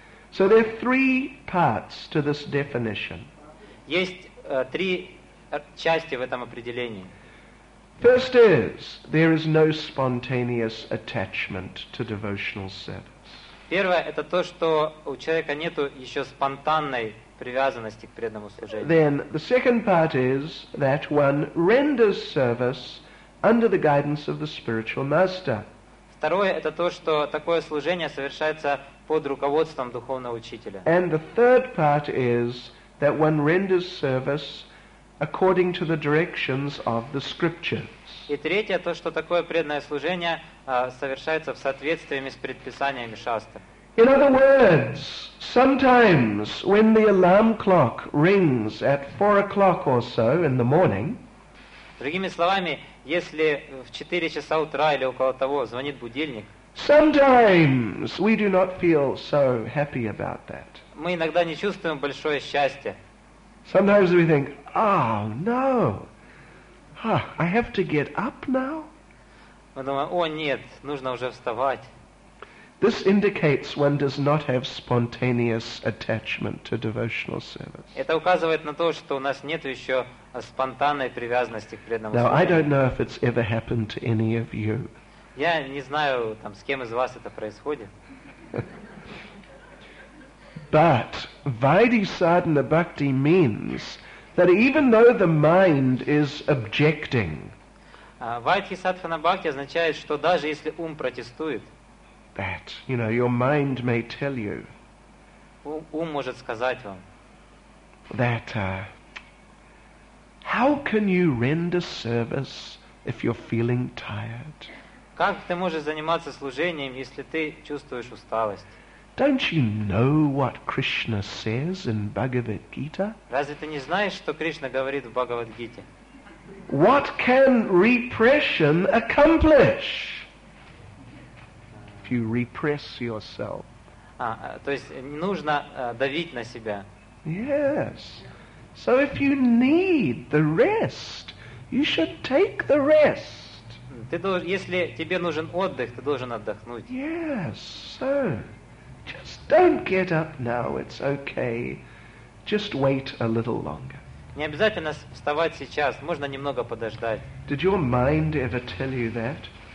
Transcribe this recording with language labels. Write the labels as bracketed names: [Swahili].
[English] So there are three parts to this definition. [Russian] Есть три части в этом определении. [English] First is, there is no spontaneous attachment to devotional service. [Russian] Первое, это то, что у человека нету еще спонтанной привязанности к преданному служению. [English] Then the second part is that one renders service under the guidance of the spiritual master. [Russian] Второе это то, что такое служение совершается под руководством духовного учителя. [English] And the third part is that one renders service according to the directions of the scriptures. [Russian] И третье то, что такое преданное служение совершается в соответствии с предписаниями шастр. [English] In other words, sometimes when the alarm clock rings at 4 o'clock or so in the morning, [Russian] другими словами, если в 4 часа утра или около того звонит будильник, [English] sometimes we do not feel so happy about that. [Russian] Мы иногда не чувствуем большое счастье. [English] Sometimes we think, oh no, I have to get up now. [Russian] Мы думаем, о нет, нужно уже вставать. [English] This indicates one does not have spontaneous attachment to devotional service. [Russian] Это указывает на то, что у нас нет еще спонтанной привязанности к преданному служению. [English] Now, I don't know if it's ever happened to any of you. [Russian] Я не знаю, там, с кем из вас это происходит. [English] But Vaidhi Sadhana Bhakti means that even though the mind is objecting, [Russian] Vaidhi Sadhana Bhakti означает, что даже если ум протестует, [English] that, you know, your mind may tell you that how can you render service if you're feeling tired? [Russian] Как ты можешь заниматься служением, если ты чувствуешь усталость? [English] Don't you know what Krishna says in Bhagavad Gita? [Russian] Разве ты не знаешь, что Кришна говорит в Бхагавад-гите? [English] What can repression accomplish? You repress yourself. [Russian] То есть не нужно давить на себя. [English] Yes. So if you need the rest, you should take the rest. [Russian] Если тебе нужен отдых, ты должен отдохнуть. [English] Yes. So just don't get up now. It's okay. Just wait a little longer. [Russian] Не обязательно вставать сейчас. Можно немного подождать. [English] Did your mind ever tell you that?